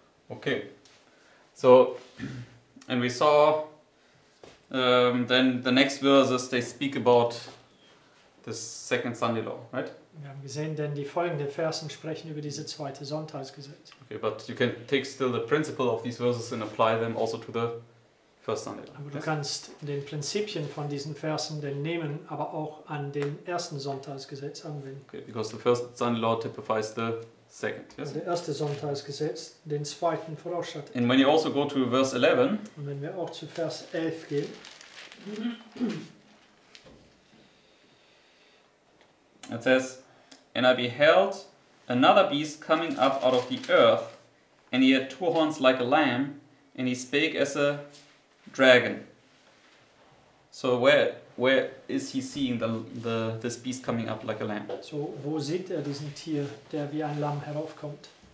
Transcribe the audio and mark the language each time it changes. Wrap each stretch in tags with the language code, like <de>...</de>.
<en>Okay. So, and we saw then the next verses they speak about the second Sunday law, right?</en> <de>Wir haben gesehen, denn die folgenden Versen sprechen über diese zweite Sonntagsgesetz.</de> <en>Okay, but you can take still the principle of these verses and apply them also to the first Sunday.</en> <de>Aber du kannst den Prinzipien von diesen Versen denn nehmen, aber auch an den ersten Sonntagsgesetz anwenden.</de> <en>Okay, because the first Sunday law typifies the second. Yes.</en> <de>Der erste Sonntagsgesetz den zweiten vorausschattet.</de> <en>And when you also go to verse 11.</en> <de>Und wenn wir auch zu Vers 11 gehen.</de> <en>It says, and I beheld another beast coming up out of the earth, and he had two horns like a lamb, and he spake as a dragon. So where is he seeing this beast coming up like a lamb?</en> <de>So wo sieht er diesen Tier, der wie ein Lamm heraufkommt?</de>